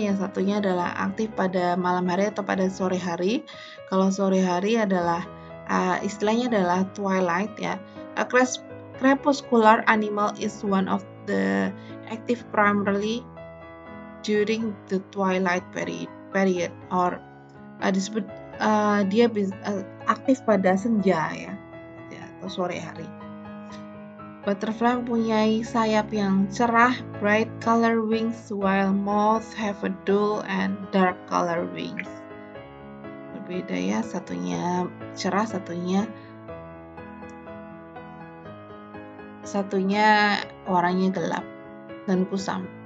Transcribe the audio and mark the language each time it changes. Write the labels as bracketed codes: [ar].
[id] Yang satunya adalah aktif pada malam hari atau pada sore hari. Kalau sore hari adalah istilahnya adalah twilight ya. [en] A crepuscular animal is one of the active primarily during the twilight period or disebut [id] dia aktif pada senja ya, atau sore hari. Butterfly mempunyai sayap yang cerah, [en] bright color wings, while moths have a dull and dark color wings. [id] Berbeda ya, satunya cerah, satunya warnanya gelap dan kusam.